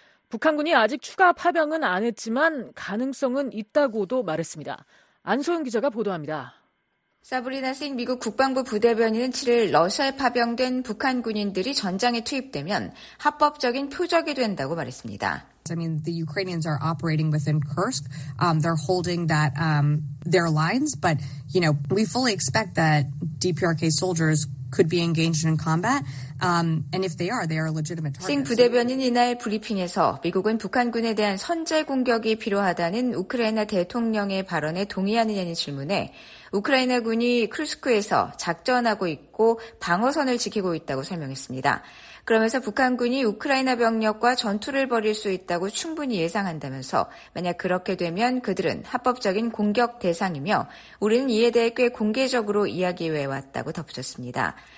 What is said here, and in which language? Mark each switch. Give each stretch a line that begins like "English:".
Korean: 북한군이 아직 추가 파병은 안 했지만 가능성은 있다고도 말했습니다. 안소영 기자가 보도합니다. 사브리나 싱 미국 국방부 부대변인은 7일 러시아에 파병된 북한 군인들이 전장에 투입되면 합법적인 표적이 된다고 말했습니다.
English: I mean, the Ukrainians are operating within Kursk. They're holding that their lines. But, you know, we fully expect that DPRK soldiers could be engaged in combat. And if they are, they are legitimate targets.
Korean: 싱 부대변인 이날 브리핑에서 미국은 북한군에 대한 선제 공격이 필요하다는 우크라이나 대통령의 발언에 동의하느냐는 질문에 우크라이나군이 쿠르스크에서 작전하고 있고 방어선을 지키고 있다고 설명했습니다. 그러면서 북한군이 우크라이나 병력과 전투를 벌일 수 있다고 충분히 예상한다면서 만약 그렇게 되면 그들은 합법적인 공격 대상이며 우리는 이에 대해 꽤 공개적으로 이야기해왔다고 덧붙였습니다.